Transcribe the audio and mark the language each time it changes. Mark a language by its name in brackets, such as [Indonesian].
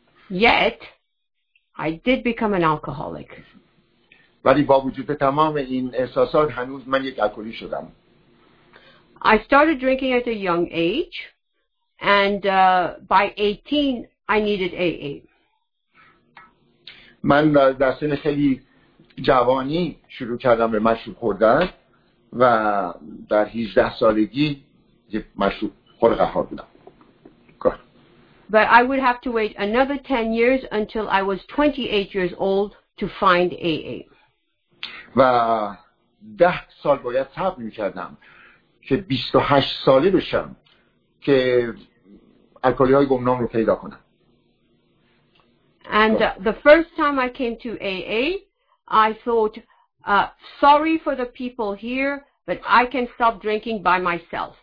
[English] Yet I did become an alcoholic. [Persian] ولی با وجود تمام این احساسات هنوز من یک الکلی شدم. [English] I started drinking at a young age and by 18 I needed AA. [Persian] من در سن خیلی جوانی شروع کردم به مشروب خوردن و در 18 سالگی یک مشروب خور قهار بودم. [English] But I would have to wait another 10 years until I was 28 years old to find AA. [Persian] و 10 سال باید صبر می‌کردم که 28 ساله بشم که الکلی‌های گمنام رو پیدا کنم. [English] And the first time I came to AA, I thought, sorry for the people here, but I can stop drinking by myself.